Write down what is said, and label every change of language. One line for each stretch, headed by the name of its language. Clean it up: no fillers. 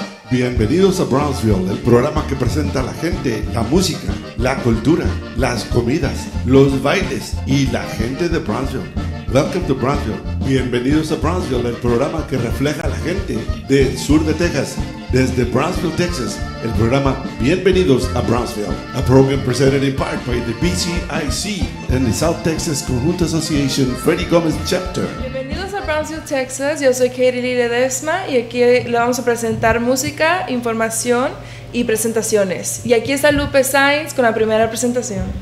Spanish: Bienvenidos a Brownsville, el programa que presenta a la gente, la música, la cultura, las comidas, los bailes y la gente de Brownsville.
English: Welcome to Brownsville.
Spanish: Bienvenidos a Brownsville, el programa que refleja a la gente del sur de Texas. Desde Brownsville, Texas, el programa Bienvenidos a Brownsville.
English: A program presented in part by the BCIC and the South Texas Conjunta Association Freddy Gomez Chapter.
Spanish: Bienvenidos a Brownsville, Texas. Yo soy Katie Lee Ledesma y aquí le vamos a presentar música, información y presentaciones. Y aquí está Lupe Sainz con la primera presentación.